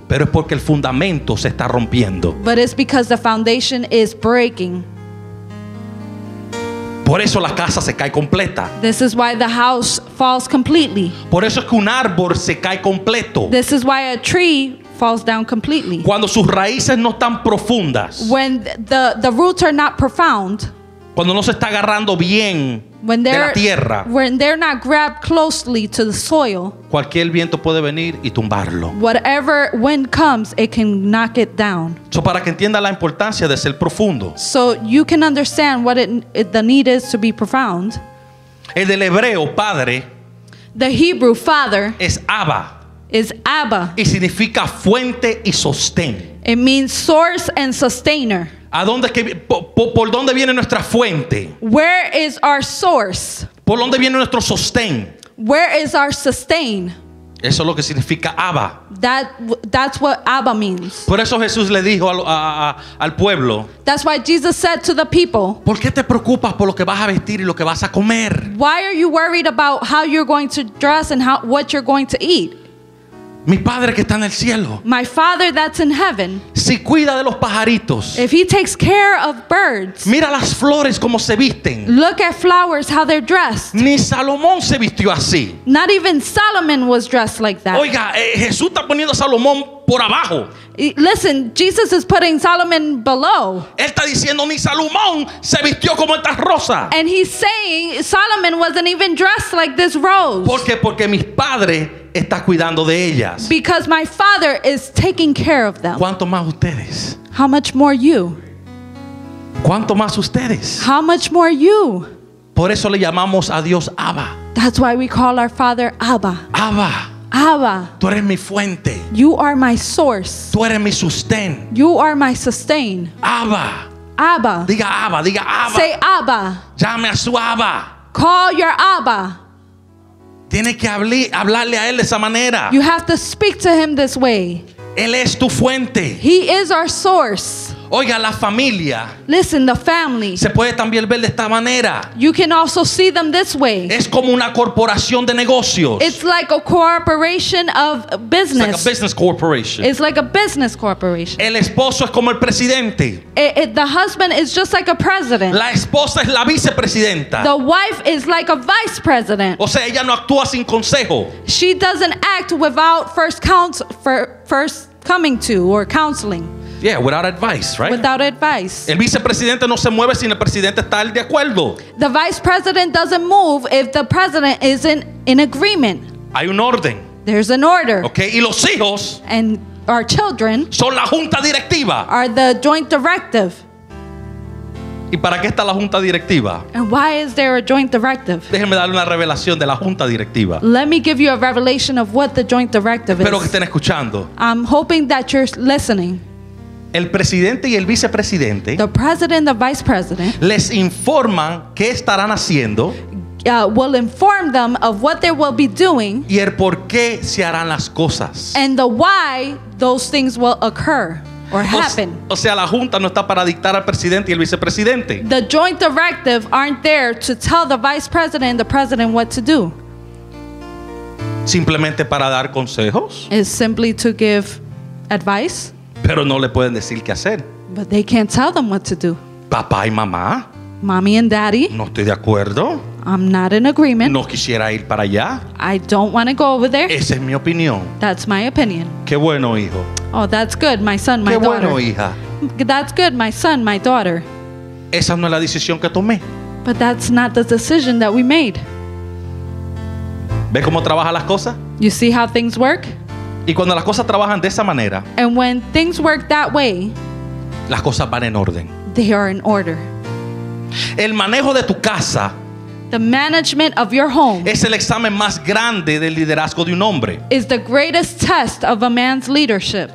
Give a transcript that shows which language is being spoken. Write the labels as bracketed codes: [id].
[es] Pero es porque el fundamento se está rompiendo. [en] But it's because the foundation is breaking. [es] Por eso la casa se cae completa. [en] This is why the house falls completely. [es] Por eso es que un árbol se cae completo. [en] This is why a tree falls down completely. [es] Cuando sus raíces no están profundas. [en] When the roots are not profound. [es] Cuando no se está agarrando bien de la tierra. [en] When they're not grabbed closely to the soil. [es] Cualquier viento puede venir y tumbarlo. [en] Whatever wind comes, it can knock it down. [es] So para que entienda la importancia de ser profundo. [en] So you can understand what the need is to be profound. [es] El del hebreo padre. [en] The Hebrew father. [es] Es Abba. [en] Is Abba. [es] Y significa fuente y sostén. [en] It means source and sustainer. [es] ¿A dónde es que, por dónde viene nuestra fuente? [en] Where is our source? [es] ¿Por dónde viene nuestro sostén? [en] Where is our sustain? [es] Eso es lo que significa Abba. [en] That's what Abba means. [es] Por eso Jesús le dijo al pueblo. [en] That's why Jesus said to the people. [es] ¿Por qué te preocupas por lo que vas a vestir y lo que vas a comer? [en] Why are you worried about how you're going to dress and what you're going to eat? [es] Mi padre que está en el cielo. [en] My father that's in heaven. [es] Si cuida de los pajaritos. [en] If he takes care of birds. [es] Mira las flores como se visten. [en] Look at flowers how they're dressed. [es] Ni Salomón se vistió así. [en] Not even Solomon was dressed like that. [es] Oiga, Jesús está poniendo a Salomón por abajo. [en] Listen, Jesus is putting Solomon below. [es] Él está diciendo ni Salomón se vistió como esta rosa. [en] And he's saying Solomon wasn't even dressed like this rose. [es] ¿Por qué? Porque mis padres está cuidando de ellas. [en] Because my father is taking care of them. [es] ¿Cuánto más ustedes? [en] How much more you? [es] ¿Cuánto más ustedes? [en] How much more you? [es] Por eso le llamamos a Dios Abba. [en] That's why we call our father Abba. [es] Abba. [en] Abba. [es] Tú eres mi fuente. [en] You are my source. [es] Tú eres mi sustén. [en] You are my sustain. [es] Abba. [en] Abba. [es] Diga Abba, diga Abba. [en] Say Abba. [es] Llame a su Abba. [en] Call your Abba. [es] Tienes que hablarle a él de esa manera. [en] You have to speak to him this way. [es] Él es tu fuente. [en] He is our source. [es] Oiga, la familia. [en] Listen, the family. [es] Se puede también ver de esta manera. [en] You can also see them this way. [es] Es como una corporación de negocios. [en] It's like a corporation of business. It's like a business corporation. It's like a business corporation. [es] El esposo es como el presidente. [en] The husband is just like a president. [es] La esposa es la vicepresidenta. [en] The wife is like a vice president. [es] O sea, ella no actúa sin consejo. [en] She doesn't act without first coming to or counseling. Yeah, without advice, right? Without advice. [es] El vicepresidente no se mueve sin el presidente estar de acuerdo. [en] The vice president doesn't move if the president isn't in agreement. [es] Hay un orden. [en] There's an order. [es] Okay, y los hijos. [en] And our children. [es] Son la junta directiva. [en] Are the joint directive. [es] ¿Y para qué está la junta directiva? [en] And why is there a joint directive? [es] Déjeme darle una revelación de la junta directiva. [en] Let me give you a revelation of what the joint directive [es] Espero [en] is. [es] Espero que estén escuchando. [en] I'm hoping that you're listening. [es] El presidente y el vicepresidente, [en] the president and the vice president, [es] les informan qué estarán haciendo, [en] will inform them of what they will be doing, [es] y el por qué se harán las cosas, [en] and the why those things will occur or happen. [es] O sea, la junta no está para dictar al presidente y el vicepresidente. [en] The joint directive aren't there to tell the vice president and the president what to do. [es] Simplemente para dar consejos. [en] It's simply to give advice. [es] Pero no le pueden decir qué hacer. [en] But they can't tell them what to do. [es] Papá y mamá. [en] Mommy and daddy. [es] No estoy de acuerdo. [en] I'm not in agreement. [es] No quisiera ir para allá. [en] I don't want to go over there. [es] Esa es mi opinión. [en] That's my opinion. [es] Qué bueno, hijo. [en] Oh, that's good, my son, my daughter. [es] Qué bueno, hija. [en] That's good, my son, my daughter. [es] Esa no es la decisión que tomé. [en] But that's not the decision that we made. [es] ¿Ves cómo trabajan las cosas? [en] You see how things work? [es] Y cuando las cosas trabajan de esa manera, [en] and when things work that way, [es] las cosas van en orden. [en] They are in order. [es] El manejo de tu casa, [en] the management of your home, [es] es el examen más grande del liderazgo de un hombre. [en] Is the greatest test of a man's leadership.